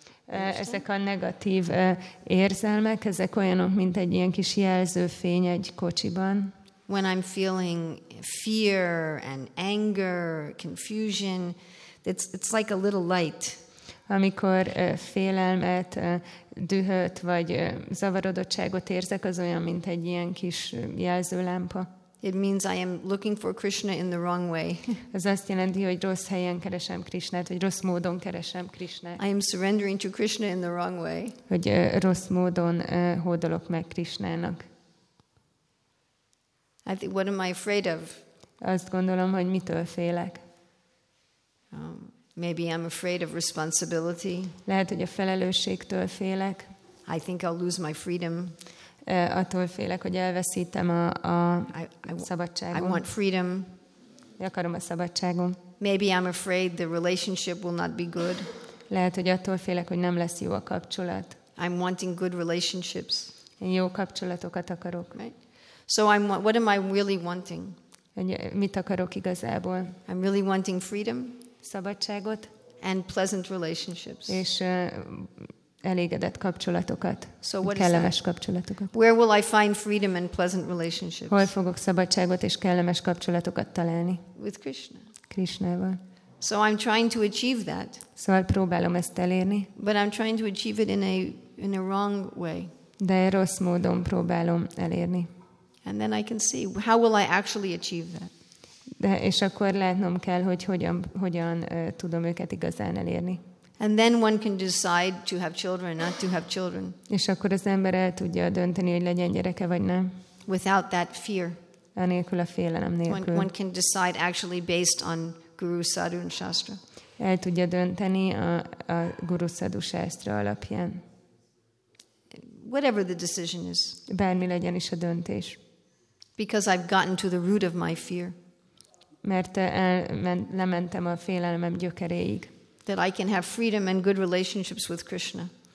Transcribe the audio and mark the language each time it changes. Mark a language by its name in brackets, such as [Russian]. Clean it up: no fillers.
[Hungarian] Ezek a negatív érzelmek, ezek olyanok, mint egy ilyen kis jelzőfény egy kocsiban. [English] When I'm feeling fear and anger, confusion, it's like a little light. [Hungarian] Amikor félelmet, dühöt vagy zavarodottságot érzek, az olyan, mint egy ilyen kis jelzőlámpa. [English] It means I am looking for Krishna in the wrong way. [Hungarian] Ez azt jelenti, hogy rossz helyen keresem Krishnát, vagy rossz módon keresem Krishnát. [English] I am surrendering to Krishna in the wrong way. [Hungarian] Hogy rossz módon hódolok meg Krishnának. [English] I think, what am I afraid of? [Hungarian] Azt gondolom, hogy mitől félek. [English] Maybe I'm afraid of responsibility. [Hungarian] Lehet, hogy a felelősségtől félek. [English] I think I'll lose my freedom. [Hungarian] Attól félek, hogy elveszítem a szabadságom. [English] I want freedom. [Hungarian] Akarom a szabadságom. [English] Maybe I'm afraid the relationship will not be good. [Hungarian] Lehet, hogy attól félek, hogy nem lesz jó a kapcsolat. [English] I'm wanting good relationships. [Hungarian] Én jó kapcsolatokat akarok. [English] Right? So what am I really wanting? [Hungarian] Mit akarok igazából? [English] I'm really wanting freedom. [Hungarian] Szabadságot. [English] And pleasant relationships. [Hungarian] És elégedett kapcsolatokat, [English] so what [Hungarian] kellemes [English] is that? [Hungarian] Kapcsolatokat. [English] Where will I find freedom and pleasant relationships? [Hungarian] Hol fogok szabadságot és kellemes kapcsolatokat találni? [English] With Krishna. [Hungarian] Krishnával. [English] So I'm trying to achieve that. [Hungarian] Szóval próbálom ezt elérni. [English] But I'm trying to achieve it in a wrong way. [Hungarian] De rossz módon próbálom elérni. [English] And then I can see how will I actually achieve that? [Hungarian] De és akkor látnom kell, hogy hogyan tudom őket igazán elérni. [English] And then one can decide to have children, not to have children. [Hungarian] És akkor az ember el tudja dönteni, hogy legyen gyereke vagy nem. [English] Without that fear. [Hungarian] Anélkül a félelem nélkül. [English] One can decide actually based on Guru Sadhu and Shastra. [Hungarian] El tudja dönteni a Guru Sadhu Shastra alapján. [English] Whatever the decision is. [Hungarian] Bármi legyen is a döntés. [English] Because I've gotten to the root of my fear. [Hungarian] Mert lementem a félelmem gyökeréig. [English] That I can have freedom and good relationships with Krishna.